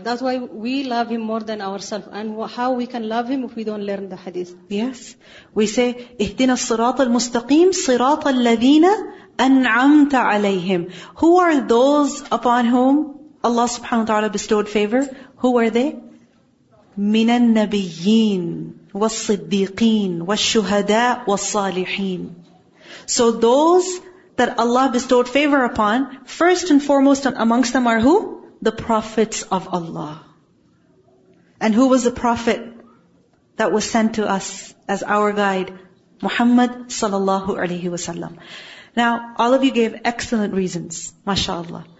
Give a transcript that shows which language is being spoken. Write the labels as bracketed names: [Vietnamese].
[English] That's why we love him more than ourselves. And how we can love him if we don't learn the hadith? Yes. We say, [Arabic] اِهْدِنَا الصِّرَاطَ الْمُسْتَقِيمِ صِرَاطَ الَّذِينَ أَنْعَمْتَ عَلَيْهِمْ. [English] Who are those upon whom Allah subhanahu wa ta'ala bestowed favor? Who are they? [Arabic] من النبيين والصديقين والشهداء والصالحين. [English] So those that Allah bestowed favor upon, first and foremost amongst them are who? The prophets of Allah. And who was the prophet that was sent to us as our guide? Muhammad sallallahu alaihi wasallam. Now, all of you gave excellent reasons, mashallah.